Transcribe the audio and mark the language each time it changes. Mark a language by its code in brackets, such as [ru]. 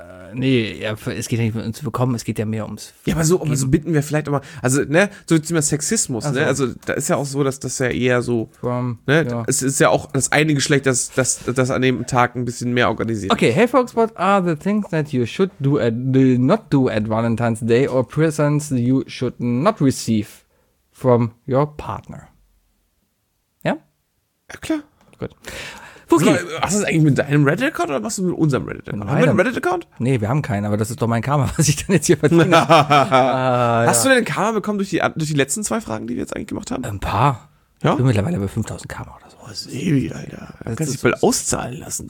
[de] Es geht ja nicht um zu bekommen, es geht ja mehr ums. Ja, aber so bitten wir vielleicht immer. Also, ne, so zum Thema Sexismus, ne? Also, da ist ja auch so, dass das ja eher so. Es ist ja auch das eine Geschlecht, das an dem Tag ein bisschen mehr organisiert. [en] Okay, hey, folks, what are the things that you should do at. Not do at Valentine's Day or presents you should not receive from your partner? [de] Ja? Ja, klar. Gut. Okay. Hast du das eigentlich mit deinem Reddit-Account oder machst du mit unserem Reddit-Account? Haben wir einen Reddit-Account? Nee, wir haben keinen, aber das ist doch mein Karma, was ich dann jetzt hier verdiene. Hast du denn Karma bekommen durch die letzten zwei Fragen, die wir jetzt eigentlich gemacht haben? Ein paar. Ja? Ich bin mittlerweile bei 5000 Karma oder so. Oh, Sebi, Alter. Du kannst dich bald auszahlen lassen.